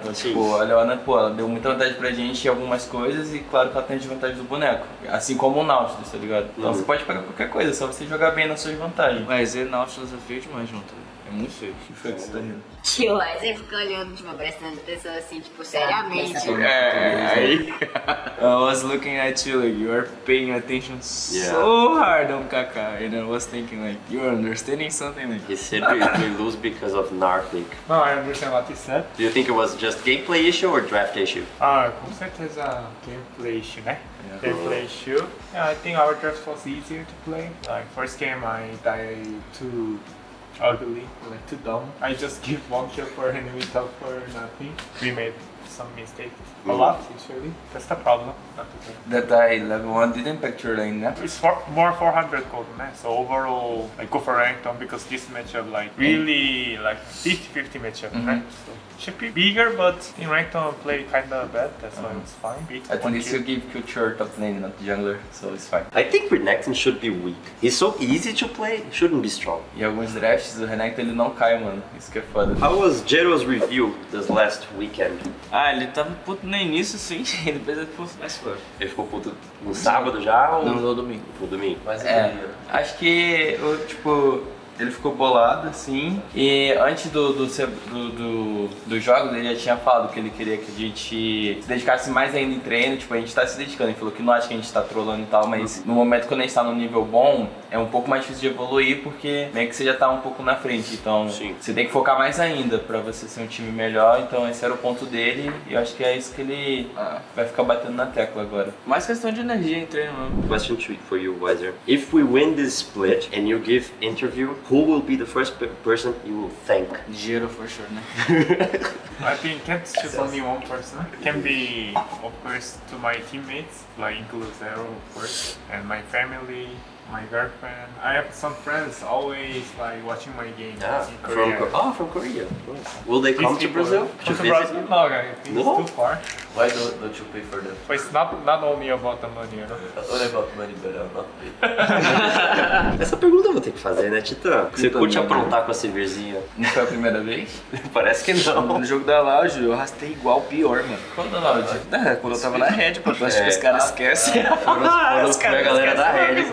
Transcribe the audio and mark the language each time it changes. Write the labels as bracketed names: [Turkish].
[Portuguese] Então, tipo, a Leona, pô, ela deu muita vantagem pra gente em algumas coisas e claro que ela tem desvantagem do boneco. Assim como o Nautilus, tá ligado? Então você pode pegar qualquer coisa, só você jogar bem nas suas vantagens. Mas e Nautilus é feio demais junto. É muito feio. Que foi que você tá rindo? Que o Wesley fica olhando, tipo, prestando atenção assim, tipo, seriamente. É, aí. [English] I was looking at you like you are paying attention so hard on KK. And I was thinking like you are understanding something like he said we lose because of Narflick. No, I understand what he said. Do you think it was just gameplay issue or draft issue? [Portuguese] Ah, com certeza [English] gameplay issue, né? Yeah. Gameplay issue. Yeah, I think our draft was easier to play. Like first game I died to ugly, like too dumb. I just give one kill for an enemy top for nothing. We made some mistakes. A lot, actually. That's the problem. That guy level 1 didn't pack your lane, yeah? It's for, more 400 gold, man. So overall, I go for Rankton because this matchup, like, really, like, 50-50 matchup, mm-hmm. right? So, should be bigger, but in Rankton, I play kind of bad. That's why it's fine. At least you give Kutcher top lane, not the jungler, so it's fine. I think Renekton should be weak. He's so easy to play, he shouldn't be strong. [Portuguese] E alguns drafts, o Renekton, ele não cai, mano. Isso que é foda. [English] How was Jero's review this last weekend? [Portuguese] Ah, ele tava puto no início, sim. Depois ele foi mais forte. Ele ficou puto no sábado já? Não, no domingo. No domingo? Mas é. Acho que, tipo, ele ficou bolado, assim. E antes do jogo, ele já tinha falado que ele queria que a gente se dedicasse mais ainda em treino. Tipo, a gente tá se dedicando. Ele falou que não acha que a gente tá trolando e tal, mas no momento quando a gente tá num nível bom, é um pouco mais difícil de evoluir, porque meio que você já tá um pouco na frente. Então, você tem que focar mais ainda pra você ser um time melhor. Então, esse era o ponto dele. E eu acho que é isso que ele vai ficar batendo na tecla agora. Mais questão de energia em treino, mano. [English] Question for you, Wiser. If we win this split and you give interview, who will be the first person you will thank? Jero, for sure, né? I think can't choose only one person. Can be, of course, to my teammates, like include Zero, of course, and my family, my girlfriend. I have some friends always like watching my game in Korea. From Korea. Cool. Will they come to Brazil? No, guys, it's too far. Why don't you pay for them? But it's not only about the money, you know? Not only about money, but I'm not paid. [Portuguese] Essa pergunta eu vou ter que fazer, né, Titã? Você curte aprontar com a Silverzinha? Não foi a primeira vez? Parece que não. No jogo da Loud, eu arrastei igual, pior, mano. Quando da Loud? Quando eu tava na Red, porque eu acho que os caras esquecem. Foram os galera da Red.